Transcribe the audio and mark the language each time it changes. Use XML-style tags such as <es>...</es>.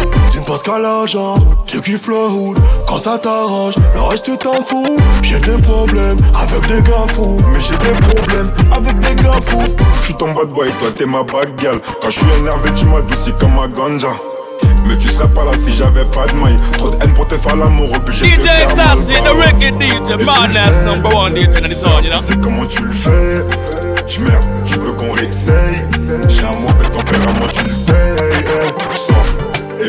<fr>Tu ne penses qu'à l'argent, tu kiffes le hood. Quand ça t'arrange, le reste t'en fous. J'ai des problèmes avec des gars fous. Mais j'ai des problèmes avec des gars fous. J'suis ton bad boy, toi t'es ma bad girl. Quand j'suis énervé, tu m'adoucis comme ma ganja. Mais tu serais pas là si j'avais pas de maille. Trop de haine pour te faire l'amour, obligé</fr> <en>DJ Stassi, the record DJ, madness number one DJ, and it's on, you know.</en> <fr>C'est comment tu le fais. J'merde, tu veux qu'on réessaye. J'ai un mauvais tempérament, tu le sais, hey.</fr>